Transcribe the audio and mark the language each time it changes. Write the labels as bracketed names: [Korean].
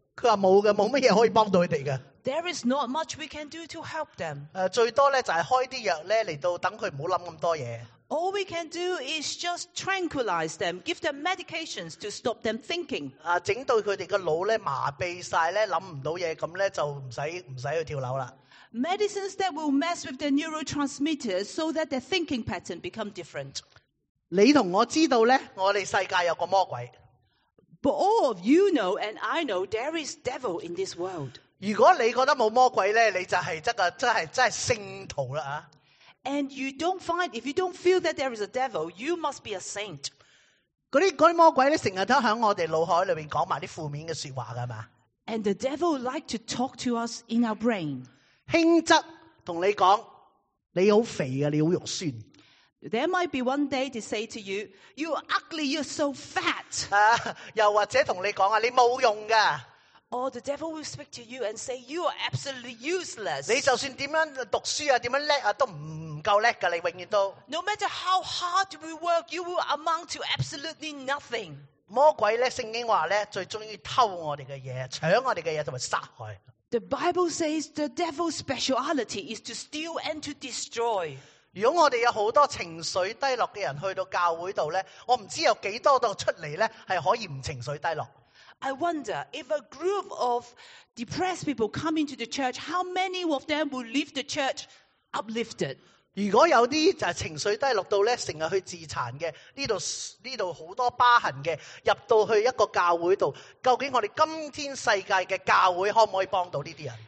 [Cantonese] 佢话冇嘅，冇乜嘢可以帮到佢哋嘅。 [English] There is not much we can do to help them。 [Cantonese] 最多咧就系开啲药咧嚟到等佢唔好谂咁多嘢。 [English] All we can do is just tranquilize them, give them medications to stop them thinking。 [Cantonese] 整到佢哋嘅脑咧麻痹晒咧，谂唔到嘢，咁咧就唔使去跳楼啦。 [English] Medicines that will mess with their neurotransmitters so that their thinking pattern become different。 [Cantonese] 你同我知道咧，我哋世界有个魔鬼。 [English] But all of you know and I know there is devil in this world。 [Cantonese] 如果你觉得冇魔鬼咧，你就系真系圣徒啦啊 [English] ！And you don't find if you don't feel that there is a devil, you must be a saint。 [Cantonese] 嗰啲魔鬼咧，成日都喺我哋脑海里边讲埋啲负面嘅说话噶嘛 [English] ？And the devil like to talk to us in our brain。 [Cantonese] 轻则同你讲，你好肥啊，你好肉酸。 [English] There might be one day to say to you, "You are ugly. You're so fat." [Cantonese] 又或者同你讲啊，你冇用噶。 [English] Or the devil will speak to you and say, "You are absolutely useless." [Cantonese] 你就算点样读书啊，点样叻啊，都唔够叻噶，你永远都。 [English] No matter how hard we work, you will amount to absolutely nothing. [Cantonese] 魔鬼咧，圣经话咧，最中意偷我哋嘅嘢，抢我哋嘅嘢，同埋杀害。 [English] The Bible says the devil's speciality is to steal and to destroy。 [Cantonese] 如果我哋有好多情绪低落嘅人去到教会度咧，我唔知道有几多度出嚟咧系可以唔情绪低落。 [English] I wonder if a group of depressed people come into the church, how many of them will leave the church uplifted? [Cantonese] 如果有啲就系情绪低落到咧，成日去自残嘅，呢度好多疤痕嘅，入到去一个教会度，究竟我哋今天世界嘅教会可唔可以帮到呢啲人？